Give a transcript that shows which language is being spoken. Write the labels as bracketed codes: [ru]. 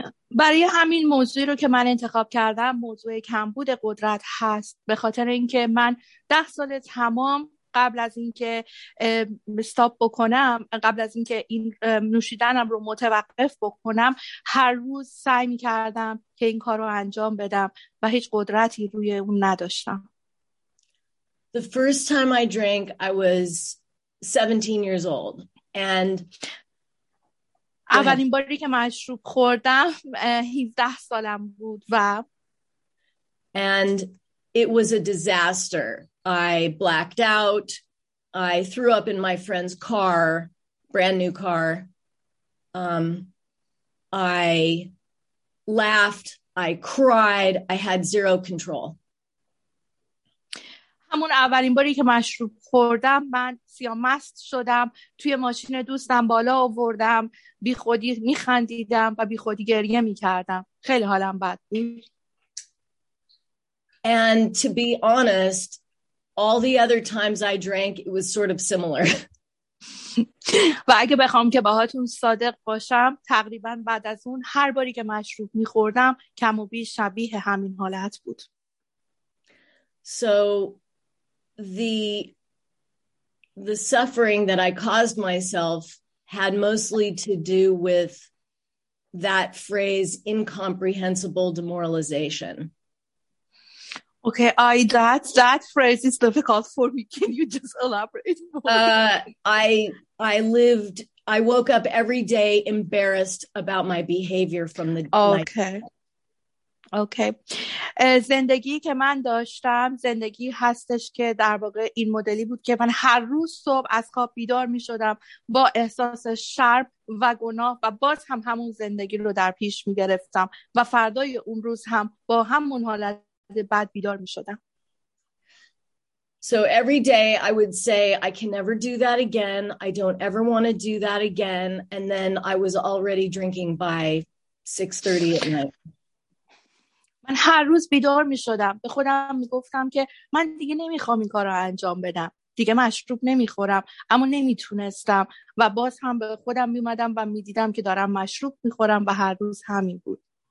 [fa] برای همین موضوعی رو که من انتخاب کردم موضوع کمبود قدرت هست، به خاطر اینکه من 10 سال تمام قبل از اینکه استاپ بکنم، قبل از اینکه این نوشیدنم رو متوقف بکنم، هر روز سعی می‌کردم که این کارو انجام بدم و هیچ قدرتی روی اون نداشتم. [en] The first time I drank I was 17 years old and [fa] اولین باری که مشروب خوردم 17 سالم بود و [en] and it was a disaster. I blacked out. I threw up in my friend's car, brand new car. I laughed, I cried, I had zero control. [fa] همون اولین باری که مشروب خوردم من سیامست شدم، توی ماشین دوستم بالا آوردم، بی خودی میخندیدم و بی خودی گریه میکردم. خیلی حالم بد بود. [en] And to be honest, all the other times I drank, it was sort of similar. [fa] و اگه بخوام که باهاتون صادق باشم، تقریبا بعد از اون هر باری که مشروب می‌خوردم کم و بیش شبیه همین حالت بود. [en] So the suffering that I caused myself had mostly to do with that phrase incomprehensible demoralization. Okay, that phrase is difficult for me. Can you just elaborate more? I woke up every day embarrassed about my behavior from the Okay. Okay. [fa] زندگی که من داشتم زندگی هستش که در واقع این مدلی بود که من هر روز صبح از خواب بیدار می شدم با احساس شرم و گناه و باز هم همون زندگی رو در پیش می گرفتم و فردای اون روز هم با همون حالت بد بیدار می شدم. [en] So every day I would say I can never do that again. I don't ever want to do that again. And then I was already drinking by 6:30 at night. [fa] من هر روز بیدار می شدم. به خودم می گفتم که من دیگه نمی خواهم این کار را انجام بدم. دیگه مشروب نمی خورم. اما نمی تونستم. و باز هم به خودم می اومدم و می دیدم که دارم مشروب می خورم و هر روز همین بود.